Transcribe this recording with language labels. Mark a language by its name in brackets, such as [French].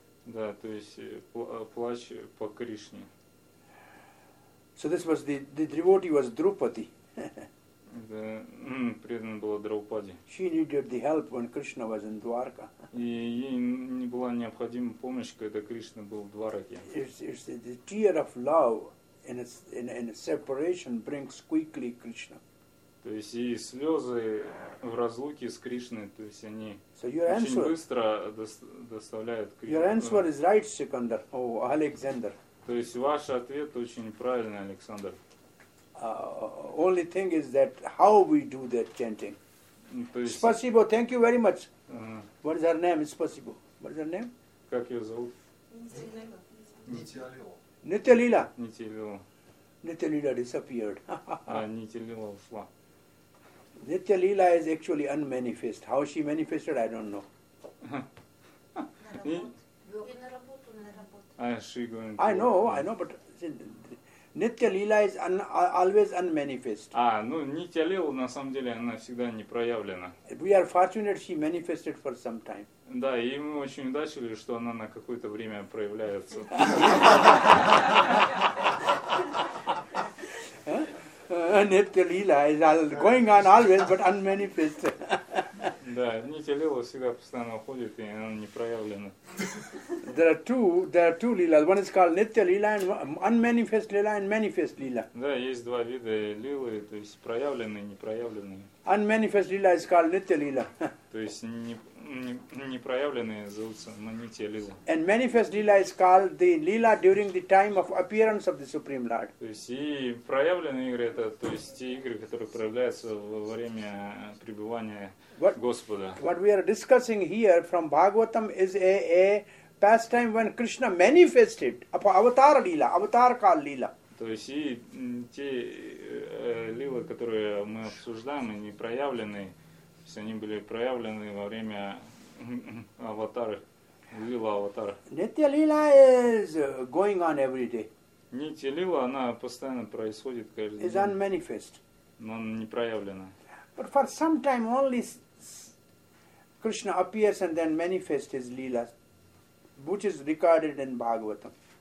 [Russian] Да, то есть плач по Кришне. [English] So this was the devotee was Drupadi. [Russian] Да, преданная была Драупади. [English] She needed the help when Krishna was in Dwarka. [Russian] И ей не была необходима помощь, когда Кришна был в Двараке. [English] It's the tear of love in a separation brings quickly Krishna. [Russian] То есть и слезы в разлуке с Кришной, то есть они очень быстро доставляют Кришну. [English] Your answer is right, Sikandar, oh, Alexander. [Russian] То есть ваш ответ очень правильный, Александр. [English] Only thing is that how we do that chanting. [Russian] Спасибо, [English] thank you very much. What is her name? [Russian] Спасибо. [English] What is her name? [Russian] Как ее зовут? Нитилила. Нитилила. [English] Нитилила disappeared. [Russian] А, Нитилила ушла. [English] Nitya Leela is actually unmanifest. How she manifested, I don't know. I know, but Nitya Leela is always unmanifest. [Russian] Nitya Leela, на самом деле, она всегда не проявлена. [English] We are fortunate she manifested for some time. [Russian] Да, и мы очень удачили, что она на какое-то время проявляется. [English] Nitya Leela is going on always, but unmanifest. [Russian] Да, Nitya Leela всегда постоянно уходит, и она не проявлена. [English] There are two Leelas. One is called Nitya Leela, and unmanifest Leela, and manifest Leela. [Russian] Да, есть два вида Лилы, то есть проявленные и непроявленные. [English] Unmanifest Leela is called Nitya Leela. [Russian] То есть непроявленные зовутся Nitya Leela. [English] And manifest Leela is called the Leela during the time of appearance of the Supreme Lord. [Russian] То есть и проявленные игры, это то есть те игры, которые проявляются во время пребывания Господа. [English] What we are discussing here from Bhagavatam is a pastime when Krishna manifested, Avatar Leela, Avatar Kaal Leela. [Russian] То есть и те лилы, которые мы обсуждаем, они проявлены, то есть они были проявлены во время аватары, лила аватара. [English] Нитья лила is going on every day. [Russian] Нитья лила, она постоянно происходит каждый день. [English] Is unmanifest. [Russian] Но она не проявлена. [English] But for some time only Krishna appears and then manifests his lilas, which is recorded in Bhagavatam.